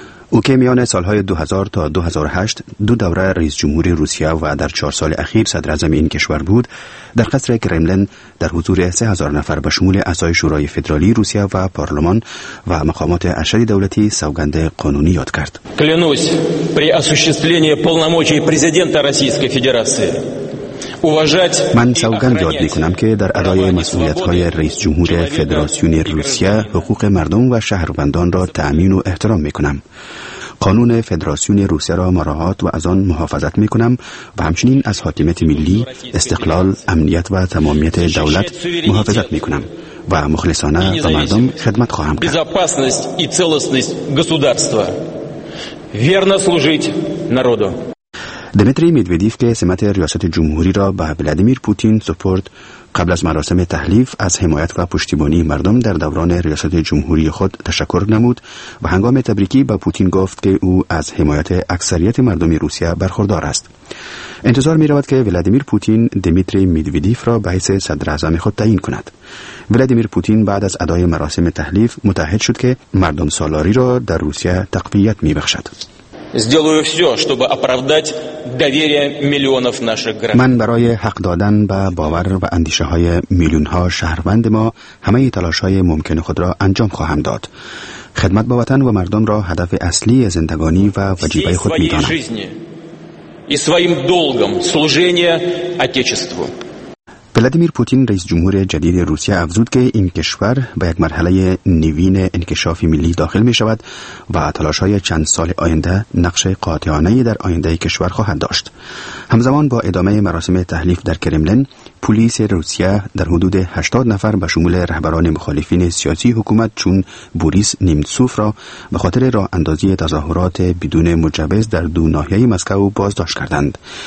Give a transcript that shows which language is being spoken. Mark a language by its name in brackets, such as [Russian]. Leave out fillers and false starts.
[Persian] او که میان سالهای 2000 تا 2008 دو دوره رئیس جمهوری روسیه و در 4 سال اخیر صدر اعظم این کشور بود، در قصر کرملین در حضور 3000 نفر به شمول اعضای شورای فدرالی روسیه و پارلمان و مقامات ارشد دولتی سوگند قانونی یاد کرد. [Russian] کلینوس при осуществлении полномочий президента Российской Федерации [Persian] من سوگند یاد میکنم که در ادای مسئولیت های رئیس جمهور فدراسیون روسیه حقوق مردم و شهروندان را تأمین و احترام میکنم. قانون فدراسیون روسیه را مراعات و از آن محافظت میکنم و همچنین از حاکمیت ملی، استقلال، امنیت و تمامیت دولت محافظت میکنم و مخلصانه و مردم خدمت خواهم کرد. دمیتری میدودیف که سمت ریاست جمهوری را به ولادیمیر پوتین سپرد، قبل از مراسم تحلیف از حمایت و پشتیبانی مردم در دوران ریاست جمهوری خود تشکر نمود و هنگام تبریکی به پوتین گفت که او از حمایت اکثریت مردم روسیه برخوردار است. انتظار می‌رود که ولادیمیر پوتین دمیتری میدودیف را به حیث صدر اعظم خود تعیین کند. ولادیمیر پوتین بعد از ادای مراسم تحلیف متعهد شد که مردم سالاری را در روسیه تقویت می‌بخشد. [Russian] сделаю всё, чтобы оправдать доверие миллионов наших граждан. [Persian] من برای حق دادن به باور و اندیشه های میلیون ها شهروند ما همه تلاش های ممکن خود را انجام خواهم داد. خدمت به وطن و مردم را هدف اصلی زندگانی و وجیبه خود می دانم. [Russian] и своим долгом служения отечеству. [Persian] ولادیمیر پوتین رئیس جمهور جدید روسیه افزود که این کشور به یک مرحله نوین انکشاف ملی داخل می شود و تلاش های چند سال آینده نقش قاطعانه در آینده کشور خواهد داشت. همزمان با ادامه مراسم تحلیف در کرملین، پلیس روسیه در حدود 80 نفر به شمول رهبران مخالفین سیاسی حکومت چون بوریس نیمتسوف را به خاطر راه اندازی تظاهرات بدون مجوز در دو ناحیه مسکو بازداشت کردند.